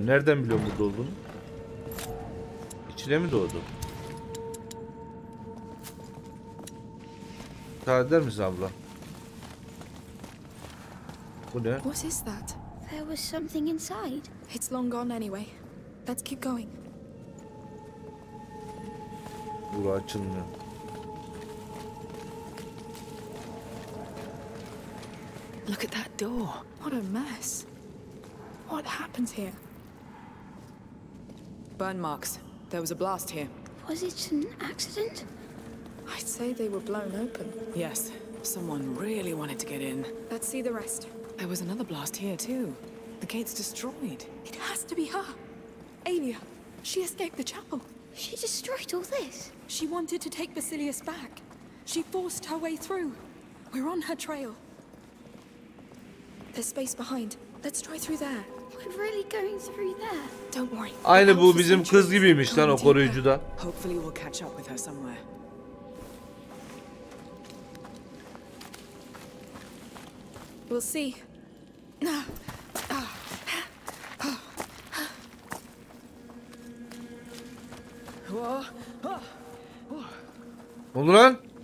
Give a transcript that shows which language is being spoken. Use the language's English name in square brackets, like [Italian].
[Turkish] Nereden biliyorum burada olduğunu? İçine mi doğdu? Müsaade eder misin abla? Bu ne? [English] What is that? There was something inside. It's long gone anyway. Let's keep going. [Turkish] Bura açılmıyor. [English] Look at that door. What a mess. What happened here? Burn marks. There was a blast here. Was it an accident? I'd say they were blown open. Yes. Someone really wanted to get in. Let's see the rest. There was another blast here too. The gate's destroyed. It has to be her. Alia, she escaped the chapel. She destroyed all this. She wanted to take Basilius back. She forced her way through. We're on her trail. There's space behind. Let's try through there. We're really going through there. Don't worry. [Turkish] Aynı bu bizim kız gibiymiş lan o koruyucu da. [English] Hopefully we'll catch up with her somewhere. We'll see. [Turkish] Ne oldu lan?